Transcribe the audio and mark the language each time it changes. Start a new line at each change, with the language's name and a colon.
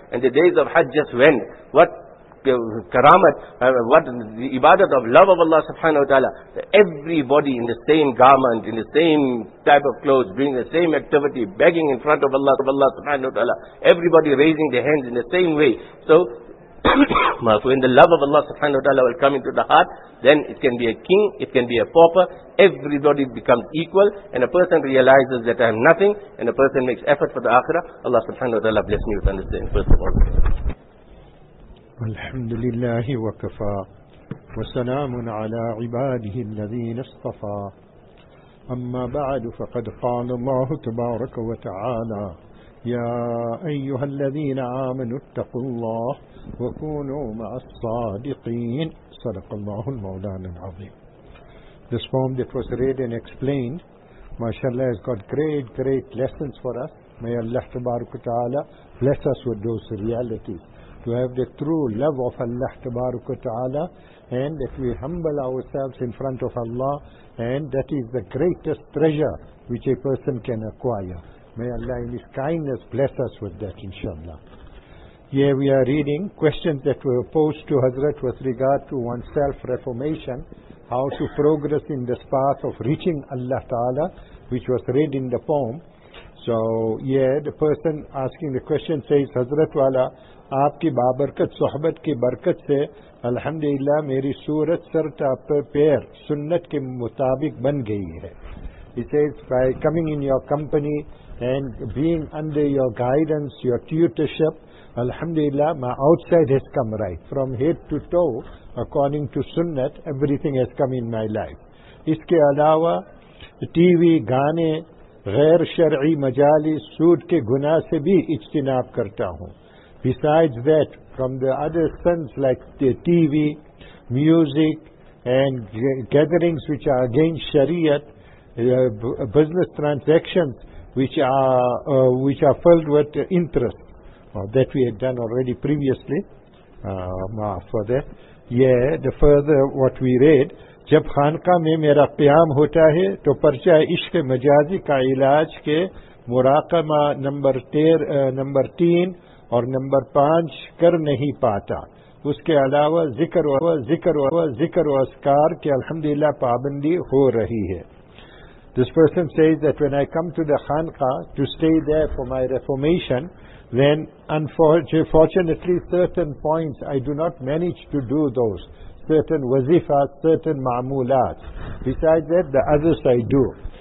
English: And the days of Hajj just went. What karamat, what the ibadat of love of Allah subhanahu wa ta'ala, everybody in the same garment, in the same type of clothes, doing the same activity, begging in front of Allah subhanahu wa ta'ala, everybody raising their hands in the same way. So, when the love of Allah subhanahu wa ta'ala will come into the heart, then it can be a king, it can be a pauper, everybody becomes equal, and a person realizes that I am nothing, and a person makes effort for the akhirah. Allah subhanahu wa ta'ala bless me with understanding, first of all.
Arabic: الحمد لله وكفى وسلام على عباده الذين اصطفى. أما بعد، فقد قال الله تبارك وتعالى: يا أيها الذين آمنوا اتقوا الله وكونوا مع الصادقين. صدق الله المولانا العظيم.
English: This poem that was read and explained, mashallah, has got great, great lessons for us. May Allah
Arabic: تبارك وتعالى
English: bless us with those realities. To have the true love of Allah Tabaraka Ta'ala, and that we humble ourselves in front of Allah, and that is the greatest treasure which a person can acquire. May Allah in His kindness bless us with that, inshallah. Here we are reading questions that were posed to Hazrat with regard to one's self-reformation, how to progress in this path of reaching Allah Ta'ala, which was read in the poem. So here the person asking the question says,
Urdu: Hazrat Wala, آپ کی بابرکت صحبت کی برکت سے الحمدللہ میری صورت سر تا پیر سنت کے مطابق بن گئی ہے.
English: It says, by coming in your company and being under your guidance, your tutorship, alhamdulillah, my outside has come right. From head to toe, according to sunnat, everything has come in my life.
Urdu: اس کے علاوہ T V, گانے، غیر شرعی مجالس، سود کے گناہ سے بھی اجتناب کرتا ہوں.
English: Besides that, from the other sins like the TV, music, and gatherings which are against Shariat, business transactions which are filled with interest, that we had done already previously, for that. Yeah, the further what we read,
Urdu: جب خانقاہ میں میرا قیام ہوتا ہے تو پرچہ عشق مجازی کا علاج کے مراقبہ نمبر 3 اور نمبر 5 کر نہیں پاتا. اس کے علاوہ ذکر و اذکار کے الحمدللہ پابندی ہو رہی ہے.
English: This person says that when I come to the Khanqa to stay there for my reformation, then unfortunately certain points I do not manage to do those. Certain wazifa, certain ma'amulat. Besides that, the others I do.